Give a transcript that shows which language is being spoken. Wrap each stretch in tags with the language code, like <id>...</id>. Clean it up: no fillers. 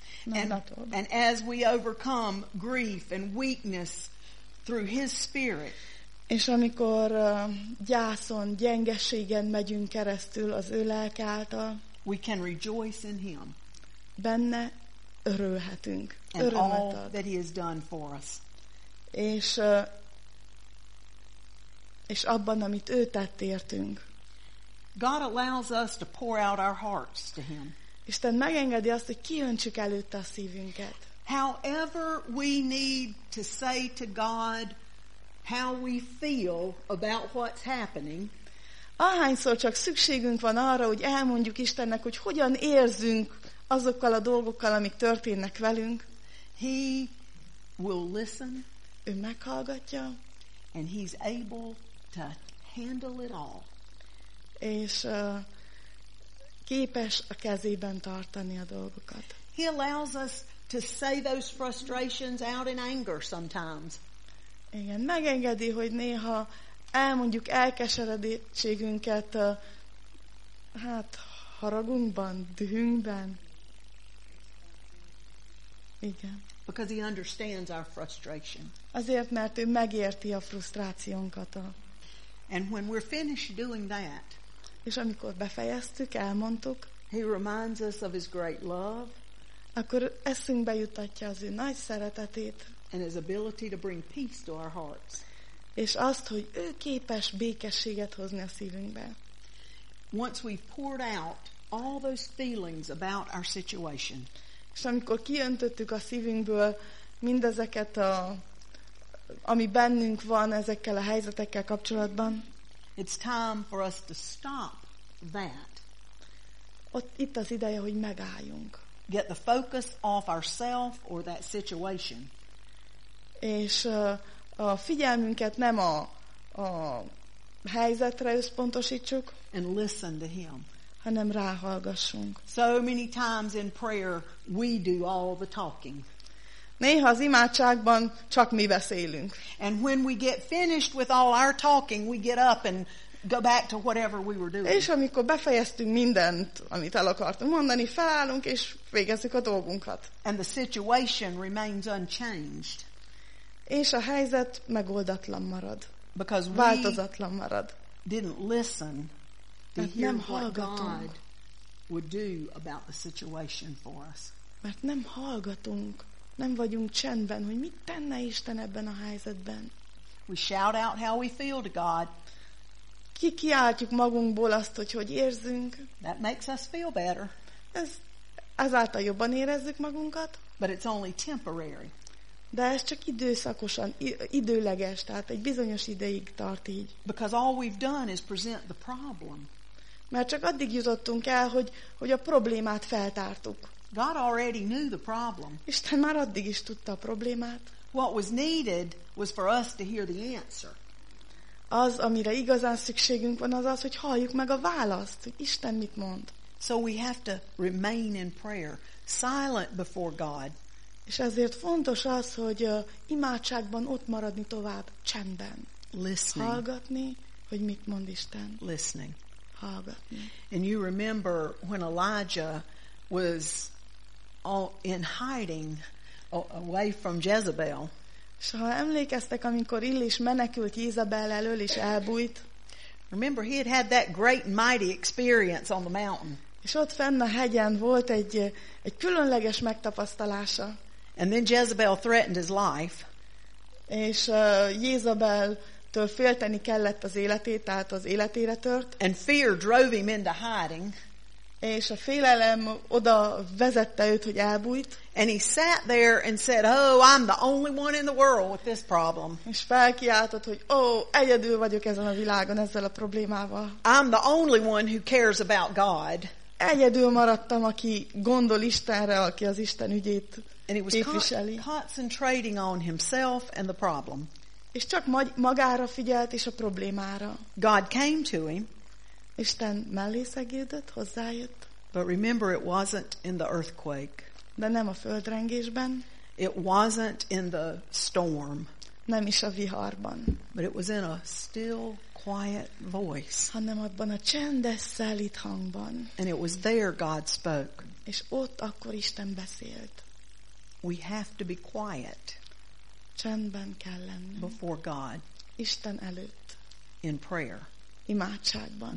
<en>And as we overcome grief and weakness through his spirit,</en> <hu>és amikor gyászon, gyengeségen megyünk keresztül az ő lelke által,</hu> <en>we can rejoice in him.</en> <hu>Benne örülhetünk. Örömet ad.</hu> <en>And all that he has done for us.</en> <hu>És abban, amit ő tett értünk.</hu> <en>God allows us to pour out our hearts to him.</en> <hu>Isten megengedi azt, hogy kiöntsük előtte a szívünket.</hu> <en>However we need to say to God how we feel about what's happening.</en> <hu>Ahányszor csak szükségünk van arra, hogy elmondjuk Istennek, hogy hogyan érzünk azokkal a dolgokkal, amik történnek velünk.</hu> <en>He will listen.</en> <hu>Ő meghallgatja.</hu> <en>And he's able to handle it all.</en> <hu>És képes a kezében tartani a dolgokat.</hu> <en>He allows us to say those frustrations out in anger sometimes.</en> <hu>Igen, megengedi, hogy néha elmondjuk elkeseredettségünket, hát haragunkban, dühünkben. Igen.</hu> <en>Because he understands our frustration.</en> <hu>Azért, mert ő megérti a frusztrációnkat.</hu> <en>And when we're finished doing that,</en> <hu>és amikor befejeztük, elmondtuk,</hu> <en>he reminds us of his great love,</en> <hu>akkor eszünkbe jutatja az ő nagy szeretetét,</hu> <en>and his ability to bring peace to our hearts.</en> <hu>És azt, hogy ő képes békességet hozni a szívünkbe.</hu> <en>Once we've poured out all those feelings about our situation,</en> <hu>és amikor kiöntöttük a szívünkből mindezeket, ami bennünk van ezekkel a helyzetekkel kapcsolatban,</hu> <en>it's time for us to stop that.</en> <hu>Itt az ideje, hogy megálljunk.</hu> <en>Get the focus off ourself or that situation.</en> <hu>És a figyelmünket nem a helyzetre összpontosítsuk,</hu> <en>and listen to him.</en> <hu>Hanem ráhallgassunk.</hu> <en>So many times in prayer we do all the talking.</en> <hu>Néha az imádságban csak mi beszélünk.</hu> <en>And when we get finished with all our talking, we get up and go back to whatever we were doing.</en> <hu>És amikor befejeztünk mindent, amit el akartunk mondani, felállunk és végezzük a dolgunkat.</hu> <en>And the situation remains unchanged.</en> <hu>És a helyzet megoldatlan marad.</hu> <en>Because</en> <hu>változatlan marad.</hu> <en>Didn't listen.</en> <hu>Nem hallgatunk,</hu> <en>God would do about the situation for us.</en> <hu>Mert nem hallgatunk, nem vagyunk csendben, hogy mit tenne Isten ebben a helyzetben.</hu> <en>We shout out how we feel to God.</en> <hu>Kikiáltjuk magunkból azt, hogy hogy érzünk.</hu> <en>That makes us feel better.</en> <hu>Ezáltal jobban érezzük magunkat.</hu> <en>But it's only temporary.</en> <hu>De ez csak időszakosan, időleges, tehát egy bizonyos ideig tart így.</hu> <en>Because all we've done is present the problem.</en> <hu>Mert csak addig jutottunk el, hogy a problémát feltártuk.</hu> <en>God already knew the problem.</en> <hu>Isten már addig is tudta a problémát.</hu> <en>What was needed was for us to hear the answer.</en> <hu>Az, amire igazán szükségünk van, az, hogy halljuk meg a választ, hogy Isten mit mond.</hu> <en>So we have to remain in prayer, silent before God.</en> <hu>És ezért fontos az, hogy imádságban ott maradni tovább csendben.</hu> <en>Listening.</en> <hu>Hallgatni, hogy mit mond Isten.</hu> <en>Listening.</en> <hu>Hallgatni.</hu> <en>And you remember when Elijah was all in hiding away from Jezebel.</en> <hu>S ha emlékeztek, amikor Illés menekült Jézabel elől és elbújt.</hu> <en>Remember he had that great and mighty experience on the mountain.</en> <hu>És ott fenn a hegyen volt egy különleges megtapasztalása.</hu> <en>And then Jezebel threatened his life.</en> <hu>És Jézabeltől félteni kellett az életét, tehát az életére tört.</hu> <en>And fear drove him into hiding.</en> <hu>És a félelem oda vezette őt, hogy elbújt.</hu> <en>And he sat there and said, "Oh, I'm the only one in the world with this problem."</en> <hu>És felkiáltott, hogy egyedül vagyok ezen a világon ezzel a problémával.</hu> <en>I'm the only one who cares about God.</en> <hu>Egyedül maradtam, aki gondol Istenre, aki az Isten ügyét képviseli.</hu> <en>And he was concentrating on himself and the problem.</en> <hu>És csak magára figyelt és a problémára.</hu> <en>God came to him.</en> <hu>Isten mellé szegődött, hozzájött.</hu> <en>But remember, it wasn't in the earthquake.</en> <hu>De nem a földrengésben.</hu> <en>It wasn't in the storm.</en> <hu>Nem is a viharban.</hu> <en>But it was in a still, quiet voice.</en> <hu>Hanem abban a csendes, szelíd hangban.</hu> <en>And it was there God spoke.</en> <hu>És ott akkor Isten beszélt.</hu> <en>We have to be quiet.</en> <hu>Csendben kell lennünk.</hu> <en>Before God.</en> <hu>Isten előtt.</hu> <en>In prayer.</en> <hu>Imádságban.</hu>